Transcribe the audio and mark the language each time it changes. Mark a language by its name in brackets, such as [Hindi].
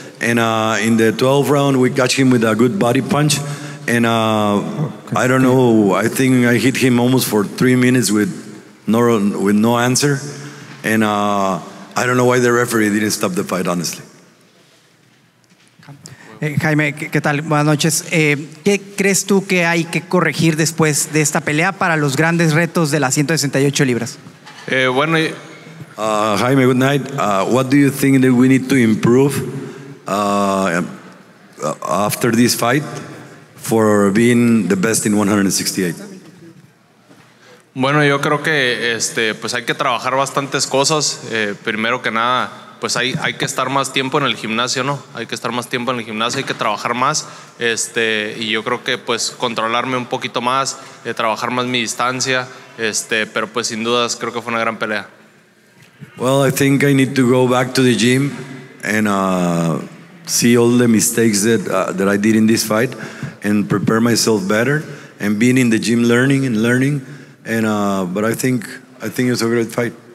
[English] And in the 12th round, we catch him with a good body punch. And I don't know, I think I hit him almost for 3 minutes with no answer. And I don't know why the referee didn't stop the fight, honestly. [Spanish] Jaime, ¿qué tal? Buenas noches. ¿Qué crees tú que hay que corregir después de esta pelea para los grandes retos de las 168 libras? Bueno, [English] Jaime, good night. What do you think that we need to improve after this fight for being the best in 168? [Spanish] Bueno, yo creo que pues hay que trabajar bastantes cosas. Primero que nada, pues hay que estar más tiempo en el gimnasio, ¿no? Hay que estar más tiempo en el gimnasio, hay que trabajar más. Y yo creo que pues controlarme un poquito más, trabajar más mi distancia. Pero pues sin dudas creo que fue una gran pelea. [English] Well, I think I need to go back to the gym and see all the mistakes that that I did in this fight and prepare myself better and being in the gym learning. But I think it's a great fight.